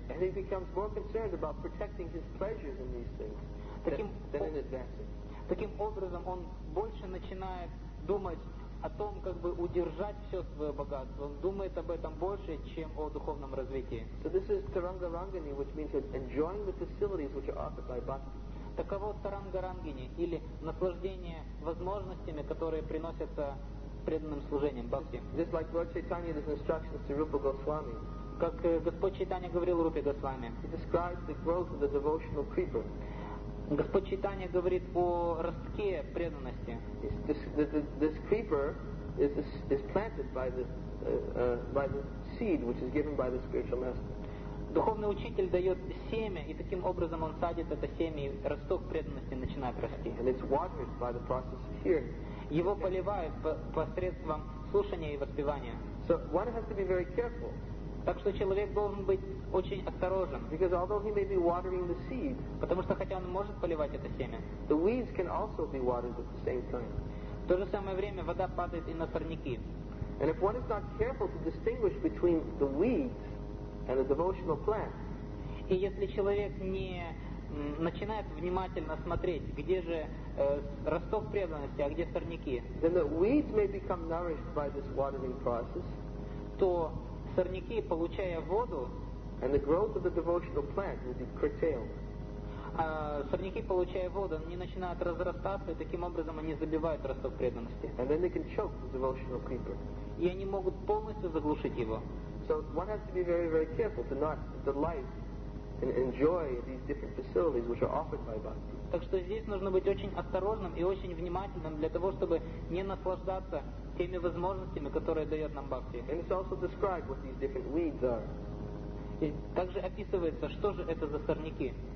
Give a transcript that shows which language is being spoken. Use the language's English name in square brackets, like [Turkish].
[English] And he becomes more concerned about protecting his pleasures in these things than in advancing. [Russian] Таким образом, он больше начинает думать о том, как бы удержать все свое богатство. Он думает об этом больше, чем о духовном развитии. [English] So this is Taranga Rangini, which means enjoying the facilities which are offered by bhakti. [Russian] Таково Таранга Рангини, или наслаждение возможностями, которые приносятся преданным служением бхакти. [English] Just like Lord Chaitanya, there's instructions to Rupa Goswami. [Russian] Как Господь Чайтанья говорил Рупе Госвами. [English] He describes the growth of the devotional creeper. [Russian] Господь Чайтанья говорит о ростке преданности. [English] This creeper is planted by the seed which is given by the spiritual master. [Russian] Духовный учитель дает семя, и таким образом он садит это семя, и росток преданности начинает расти. [English] And it's watered by the process of hearing. [Russian] Его поливают посредством слушания и воспевания. [English] So one has to be very careful. [Russian] Так что человек должен быть очень осторожен. [English] Because although he may be watering the seed, [Russian] потому что хотя он может поливать это семя, [English] the weeds can also be watered at the same time. [Russian] В то же самое время вода падает и на сорняки. [English] And if one is not careful to distinguish between the weeds and the devotional plant, [Russian] и если человек не начинает внимательно смотреть, где же росток преданности, а где сорняки, [English] then the weeds may become nourished by this watering process, [Russian] то сорняки, получая воду, [English] and the growth of the devotional plant will be curtailed. [Russian] Сорняки, получая воду, они начинают разрастаться, и таким образом они забивают росток преданности. [English] And then they can choke the devotional creeper. [Russian] И они могут полностью заглушить его. [English] So one has to be very, very careful to not delight and enjoy these different facilities which are offered by bhakti. [Russian] Так что здесь нужно быть очень осторожным и очень внимательным для того, чтобы не наслаждаться теми возможностями, которые дает нам бхакти. [English] And it's also described what these different weeds are. [Russian] И также описывается, что же это за сорняки.